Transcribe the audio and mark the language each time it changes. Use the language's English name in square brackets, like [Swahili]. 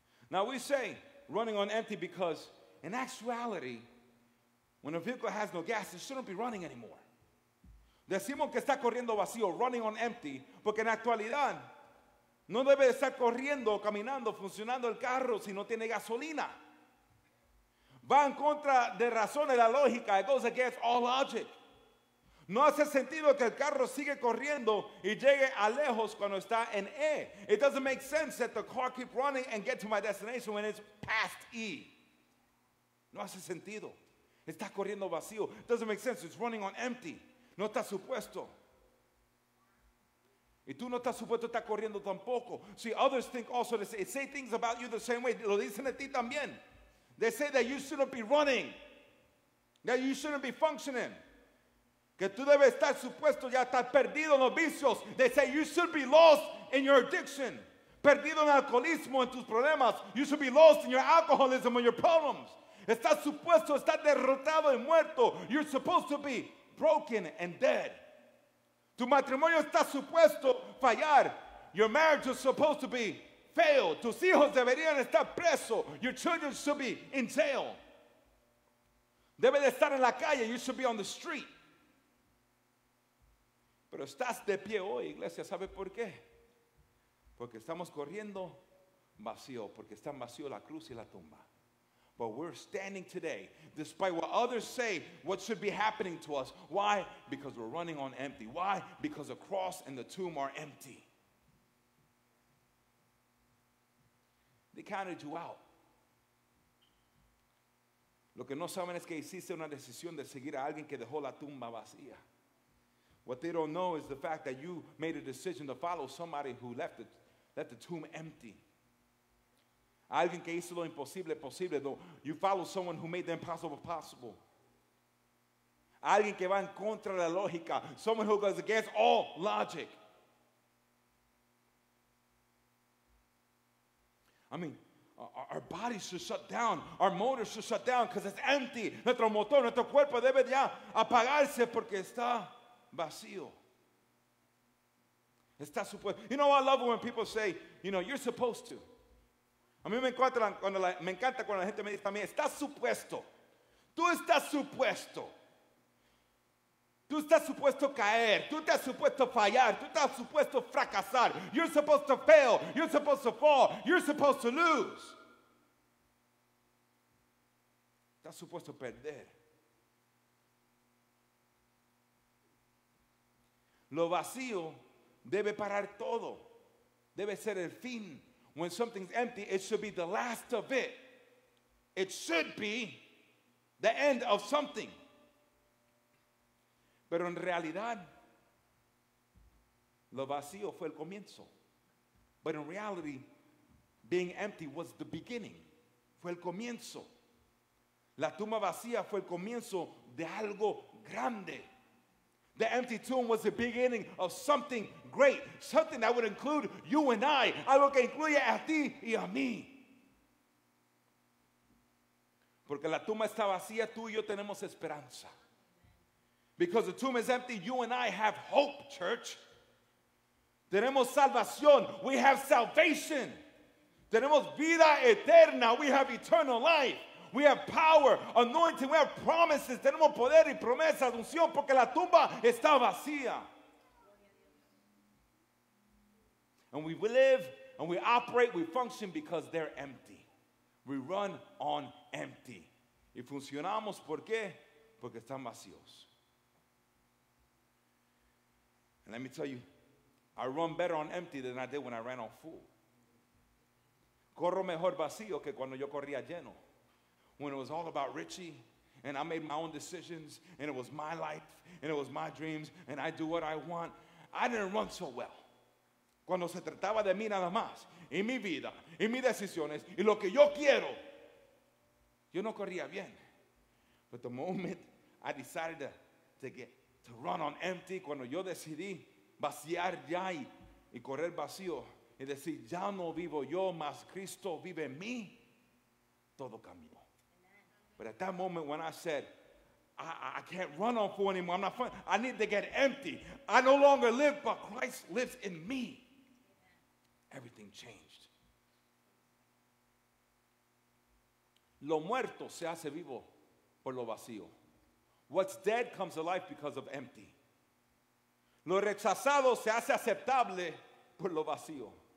[English] Now we say running on empty because in actuality, when a vehicle has no gas, it shouldn't be running anymore. [Spanish] Decimos que está corriendo vacío, [English] running on empty, [Spanish] porque en actualidad no debe estar corriendo, caminando, funcionando el carro si no tiene gasolina. Va en contra de razón, de la lógica. [English] It goes against all logic. [Spanish] No hace sentido que el carro sigue corriendo y llegue a lejos cuando está en E. [English] It doesn't make sense that the car keep running and get to my destination when it's past E. [Spanish] No hace sentido. Está corriendo vacío. [English] It doesn't make sense. It's running on empty. [Spanish] No está supuesto. Y tú no estás supuesto estar corriendo tampoco. [English] See, others think also, they say things about you the same way. [Spanish] Lo dicen a ti también. [English] They say that you shouldn't be running. That you shouldn't be functioning. [Spanish] Que tú debes estar supuesto ya estar perdido en los vicios. [English] They say you should be lost in your addiction. [Spanish] Perdido en alcoholismo, en tus problemas. [English] You should be lost in your alcoholism and your problems. [Spanish] Estás supuesto estar derrotado y muerto. [English] You're supposed to be broken and dead. [Spanish] Tu matrimonio está supuesto fallar. [English] Your marriage is supposed to be failed. [Spanish] Tus hijos deberían estar presos. [English] Your children should be in jail. [Spanish] Debe de estar en la calle. [English] You should be on the street. [Spanish] Pero estás de pie hoy, iglesia. ¿Sabe por qué? Porque estamos corriendo vacío. Porque están vacío la cruz y la tumba. [English] But we're standing today, despite what others say, what should be happening to us. Why? Because we're running on empty. Why? Because the cross and the tomb are empty. They counted you out. [Spanish] Lo que no saben es que hiciste una decisión de seguir a alguien que dejó la tumba vacía. [English] What they don't know is the fact that you made a decision to follow somebody who left the tomb empty. [Spanish] Alguien que hizo lo imposible posible. [English] You follow someone who made the impossible possible. [Spanish] Alguien que va en contra de la lógica. [English] Someone who goes against all logic. I mean, our bodies should shut down. Our motors should shut down because it's empty. [Spanish] Nuestro motor, nuestro cuerpo debe ya apagarse porque está vacío. Está supuesto. [English] You know, I love it when people say, you know, you're supposed to. [Spanish] A mí me encanta cuando la gente me dice también, estás supuesto. Tú estás supuesto. Tú estás supuesto caer. Tú estás supuesto fallar. Tú estás supuesto fracasar. [English] You're supposed to fail. You're supposed to fall. You're supposed to lose. [Spanish] Estás supuesto perder. Lo vacío debe parar todo. Debe ser el fin. [English] When something's empty, it should be the last of it. It should be the end of something. [Spanish] Pero en realidad, lo vacío fue el comienzo. [English] But in reality, being empty was the beginning. [Spanish] Fue el comienzo. La tumba vacía fue el comienzo de algo grande. [English] The empty tomb was the beginning of something great. Something that would include you and I. [Spanish] Algo que incluye a ti y a mí. Porque la tumba está vacía, tú y yo tenemos esperanza. [English] Because the tomb is empty, you and I have hope, church. [Spanish] Tenemos salvación. [English] We have salvation. [Spanish] Tenemos vida eterna. [English] We have eternal life. We have power, anointing, we have promises. [Spanish] Tenemos poder y promesas, unción, porque la tumba está vacía. [English] And we live and we operate, we function because they're empty. We run on empty. [Spanish] Y funcionamos, ¿por qué? Porque están vacíos. [English] And let me tell you, I run better on empty than I did when I ran on full. [Spanish] Corro mejor vacío que cuando yo corría lleno. [English] When it was all about Richie, and I made my own decisions, and it was my life, and it was my dreams, and I do what I want, I didn't run so well. [Spanish] Cuando se trataba de mí nada más, y mi vida, y mis decisiones, y lo que yo quiero, yo no corría bien. [English] But the moment I decided to run on empty, [Spanish] cuando yo decidí vaciar ya y correr vacío, y decir, ya no vivo yo, mas Cristo vive en mí, todo cambió. [English] But at that moment when I said, I can't run on full anymore. I'm not fun. I need to get empty. I no longer live, but Christ lives in me. Everything changed. [Spanish] Lo muerto se hace vivo por lo vacío. [English] What's dead comes to life because of empty. [Spanish] Lo rechazado se hace aceptable por lo vacío.